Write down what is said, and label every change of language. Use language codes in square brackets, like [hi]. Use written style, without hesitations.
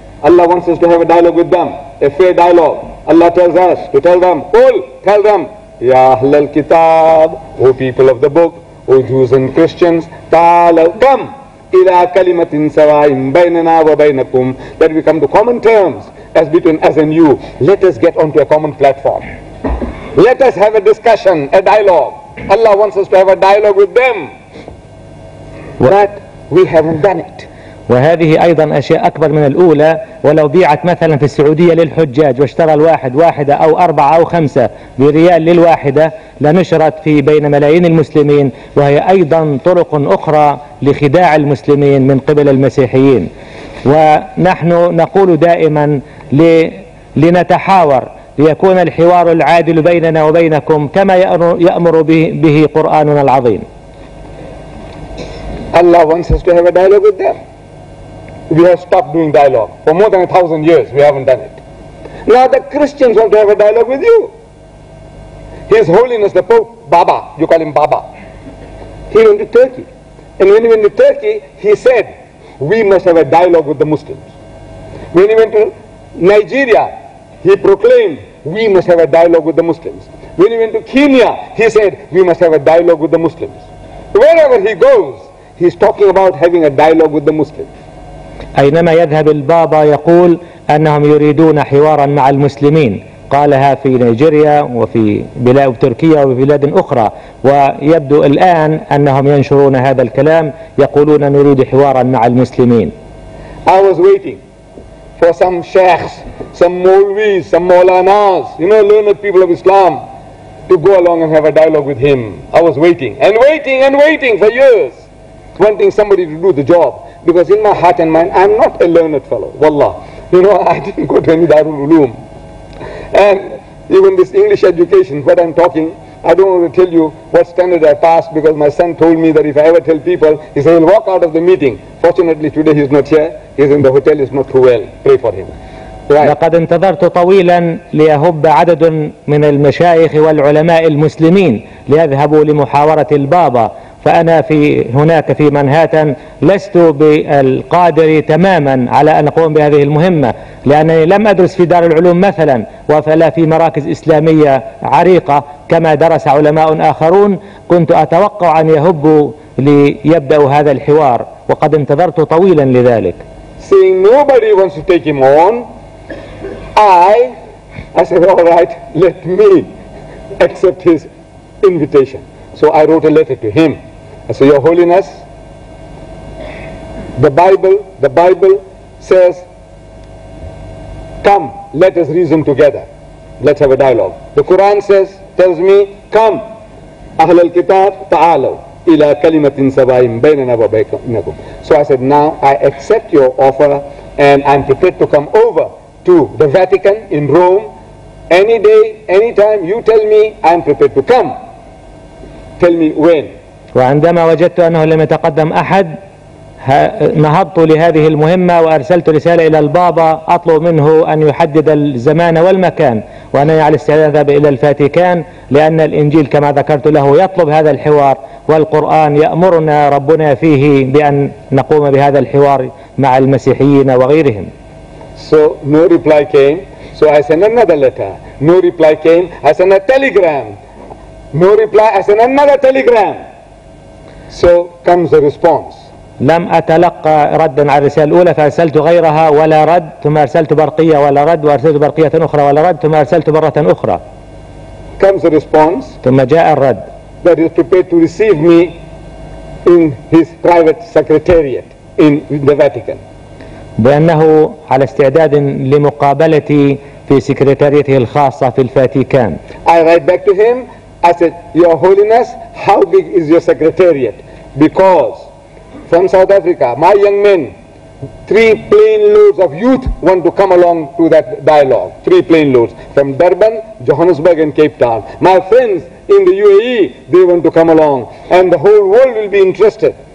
[en] Allah wants us to have a dialogue with them. A fair dialogue. Allah tells us to tell them, Qul, tell them, [ar] Ya Ahl al-Kitab, [en] O people of the book, O Jews and Christians, Ta'ala, come, [ar] ila kalimatin sawa'in bainana wa bainakum, [en] that we come to common terms as between us and you. Let us get onto a common platform. Let us have a discussion, a dialogue. Allah wants us to have a dialogue with them. But we haven't done it. [ar] وهذه أيضا أشياء أكبر من الأولى ولو بيعت مثلا في السعودية للحجاج واشترى الواحد واحدة أو أربعة أو خمسة بريال للواحدة لنشرت في بين ملايين المسلمين وهي أيضا طرق أخرى لخداع المسلمين من قبل المسيحيين ونحن نقول دائما لنتحاور ليكون الحوار العادل بيننا وبينكم كما يأمر به قرآننا العظيم. [en] Allah wants us to have a dialogue with them. We have stopped doing dialogue for more than 1,000 years. We haven't done it. Now the Christians want to have a dialogue with you. His Holiness the Pope Baba, you call him Baba. He went to Turkey, and when he went to Turkey, he said, "We must have a dialogue with the Muslims." When he went to Nigeria. He proclaimed, we must have a dialogue with the Muslims. When he went to Kenya, he said, we must have a dialogue with the Muslims. Wherever he goes, he's talking about having a dialogue with the Muslims. [ar] أينما يذهب البابا يقول أنهم يريدون حوارا مع المسلمين، قالها في نيجيريا وفي بلاد تركيا وبلاد أخرى، ويبدو الآن أنهم ينشرون هذا الكلام، يقولون نريد حوارا مع المسلمين. [en] I was waiting for some sheikhs, some mullahs, some maulanas, you know, learned people of Islam, to go along and have a dialogue with him. I was waiting and waiting and waiting for years, wanting somebody to do the job, because in my heart and mind, I'm not a learned fellow. Wallah, you know, I didn't go to any Darul Uloom. And even this English education, what I'm talking, I don't want to tell you what standard I passed, because my son told me that if I ever tell people, he said he'll walk out of the meeting. Fortunately, today he's not here. He's in the hotel. He's not too well. Pray for him. [ar] لقد انتظرت طويلا ليهب عدد من المشايخ والعلماء المسلمين ليذهبوا لمحاورة البابا، فأنا في هناك في منهاتن لست بالقادر تماما على أن أقوم بهذه المهمة، لأنني لم أدرس في دار العلوم مثلا، وفلا في مراكز إسلامية عريقة كما درس علماء آخرون. كنت أتوقع أن يهب ليبدأ هذا الحوار، وقد انتظرت طويلا لذلك. [en] Seeing nobody wants to take him on, I said, all right, let me accept his invitation. So I wrote a letter to him. I said, Your Holiness, the Bible says, come, let us reason together. Let's have a dialogue. The Quran says, tells me, come, Ahl al-Kitab, [ar] ta'alaw, ila kalimatin sabayim, baynana wa baynakum. [en] So I said, now I accept your offer and I'm prepared to come over to the Vatican in Rome any day, any time you tell me, I'm prepared to come. Tell me when. [ar] وعندما وجدت أنه لم يتقدم أحد نهضت لهذه المهمة وأرسلت رسالة إلى البابا أطلب منه أن يحدد الزمان والمكان، وأنا على استعداد إلى الفاتيكان، لأن الإنجيل كما ذكرت له يطلب هذا الحوار، والقرآن يأمرنا ربنا فيه بأن نقوم بهذا الحوار مع المسيحيين وغيرهم. [en] So no reply came. So I sent another letter. No reply came. I sent a telegram. No reply. I sent another telegram. So comes the response. [ar] لم أتلقى ردا على الرسالة الأولى فأرسلت غيرها ولا رد، ثم أرسلت برقية ولا رد، وأرسلت برقية أخرى ولا رد، ثم أرسلت مرة أخرى. [en] Comes the response. [ar] ثم جاء الرد. [en] That is prepared to receive me in his private secretariat in the Vatican. [ar] بأنه على استعداد لمقابلتي في سكرتاريته الخاصة في الفاتيكان. [en] I write back to him. I said, Your Holiness, how big is your secretariat? Because from South Africa, my young men, three plane loads of youth want to come along to that dialogue. Three plane loads from Durban, Johannesburg, and Cape Town. My friends in the UAE, they want to come along, and the whole world will be interested.